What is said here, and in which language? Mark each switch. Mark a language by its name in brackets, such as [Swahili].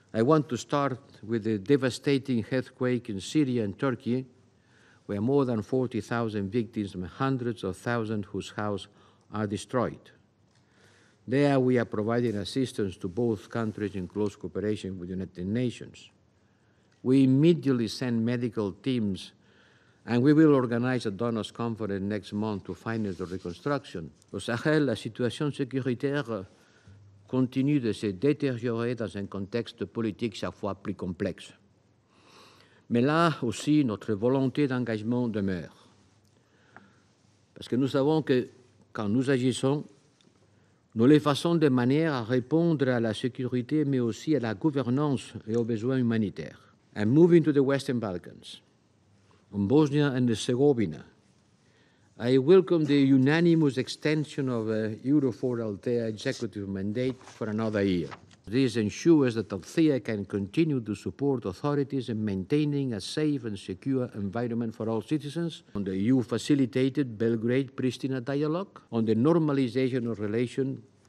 [English] I want to start with the devastating earthquake in Syria and Turkey, where more than 40,000 victims and hundreds of thousands whose houses are destroyed. There we are providing assistance to both countries in close cooperation with the United Nations. We immediately send medical teams, and we will organize a donors conference next month to finance the reconstruction. [French] Au Sahel, la situation sécuritaire continue de se détériorer dans un contexte politique chaque fois plus complexe. Mais là aussi, notre volonté d'engagement demeure. Parce que nous savons que quand nous agissons, nous les faisons de manière à répondre à la sécurité, mais aussi à la gouvernance et aux besoins humanitaires. [English] And moving to the Western Balkans, in Bosnia and Herzegovina, I welcome the unanimous extension of the Eurofor Althea executive mandate for another year. This ensures that Althea can continue to support authorities in maintaining a safe and secure environment for all citizens, on the EU-facilitated Belgrade-Pristina dialogue, on the normalization of relations.